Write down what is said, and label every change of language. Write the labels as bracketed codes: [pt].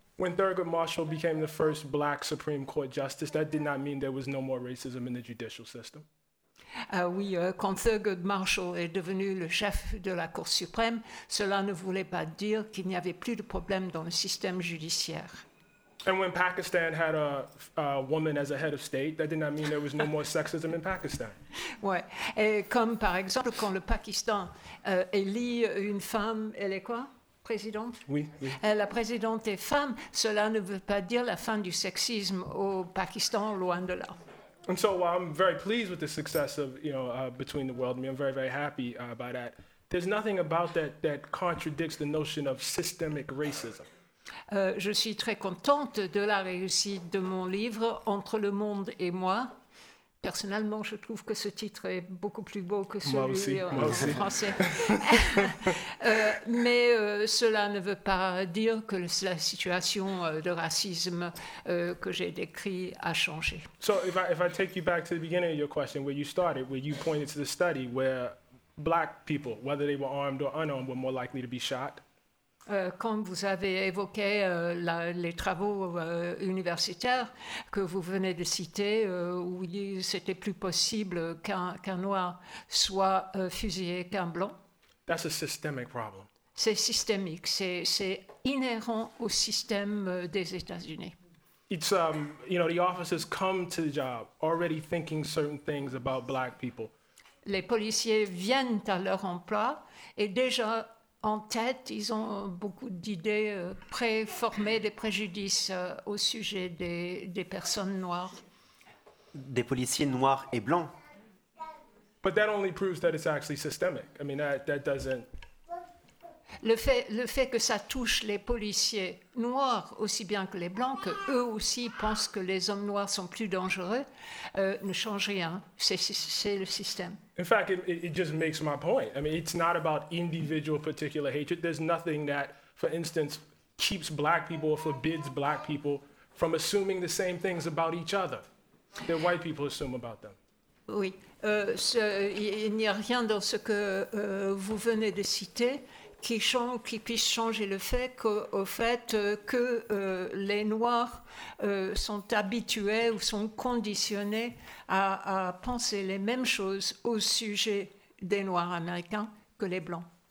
[en] When Thurgood Marshall became the first black Supreme Court justice, that did not mean there was no more racism in the judicial system. [fr] Quand Thurgood Marshall est devenu le chef de la Cour suprême, cela ne voulait pas dire qu'il n'y avait plus de problème dans le système judiciaire. [en] And when Pakistan had a woman as a head of state, that did not mean there was no more sexism in Pakistan. [fr] Ouais. Et comme par exemple quand le Pakistan élit une femme, elle est quoi, présidente? Oui, oui. La présidente est femme. Cela ne veut pas dire la fin du sexisme au Pakistan, loin de là. [en] And so while I'm very pleased with the success of, you know, Between the World and Me, I'm very, very happy by that. There's nothing about that that contradicts the notion of systemic racism. [fr] Je suis très contente de la réussite de mon livre, Entre le monde et moi. Personnellement, je trouve que ce titre est beaucoup plus beau que celui aussi, en français. mais cela ne veut pas dire que la situation de racisme que j'ai décrit a changé. [en] So if I take you back to the beginning of your question, where you started, where you pointed to the study where black people, whether they were armed or unarmed, were more likely to be shot. [fr] Quand vous avez évoqué les travaux universitaires que vous venez de citer, où c'était plus possible qu'un noir soit fusillé qu'un blanc. [en] That's a systemic problem. [fr] C'est systémique, c'est inhérent au système des États-Unis. [en] It's you know, the officers come to the job already thinking certain things about black people. [fr] Les policiers viennent à leur emploi et déjà en tête, ils ont beaucoup d'idées préformées, des préjudices au sujet des personnes noires. Des policiers noirs et blancs. [en] But that only proves that it's actually systemic. I mean, that doesn't... [fr] Le fait que ça touche les policiers noirs aussi bien que les blancs, que eux aussi pensent que les hommes noirs sont plus dangereux, ne change rien. C'est le système. [en] In fact, it just makes my point. I mean, it's not about individual particular hatred. There's nothing that, for instance, keeps black people or forbids black people from assuming the same things about each other that white people assume about them. [fr] Oui, il n'y a rien dans ce que vous venez de citer qui puisse changer le fait qu'au fait que les Noirs sont habitués ou sont conditionnés à penser les mêmes choses au sujet des Noirs américains que les Blancs.